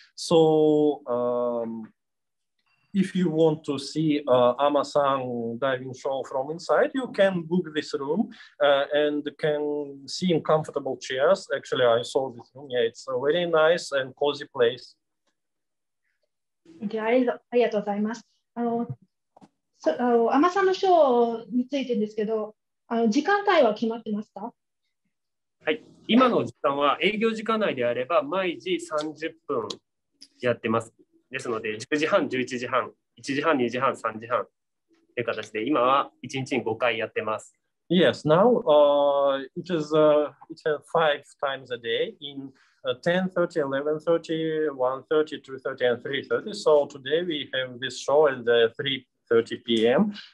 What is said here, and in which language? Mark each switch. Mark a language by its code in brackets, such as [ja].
[en] So if you want to see Ama-san diving show from inside, you can book this room and can see in comfortable chairs. Actually, I saw this room. Yeah, it's a very nice and cozy place. [ja] ありがとうございます。あの、アマさんのショーについてですけど、あの、時間帯は決まってますか？はい、今の時間は営業時間内であれば毎時30分やってます。ですので10時半、11時半、1時半、2時半、3時半という形で今は1日に5回やってます。 [en] Yes, now it's five times a day in 10:30, 11:30, 1:30, 2:30, and 3:30. So today we have this show at 3:30 p.m.